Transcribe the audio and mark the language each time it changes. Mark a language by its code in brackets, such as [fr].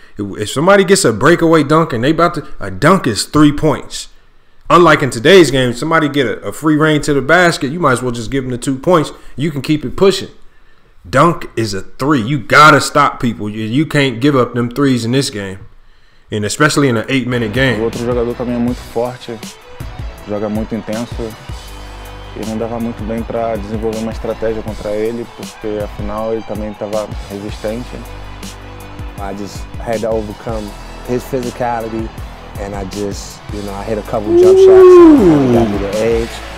[en] If somebody gets a breakaway dunk and a dunk is 3 points. Unlike in today's game, somebody get a free reign to the basket, you might as well just give them the 2 points. You can keep it pushing. Dunk is a three. You gotta stop people. You can't give up them threes in this game. And especially in an 8-minute game. [pt] Outro jogador também é muito forte. Joga muito intenso e não dava muito bem para desenvolver uma estratégia contra ele, porque afinal ele também estava resistente. [en] I just had to overcome his physicality and I just, you know, I hit a couple jump shots and got me the edge.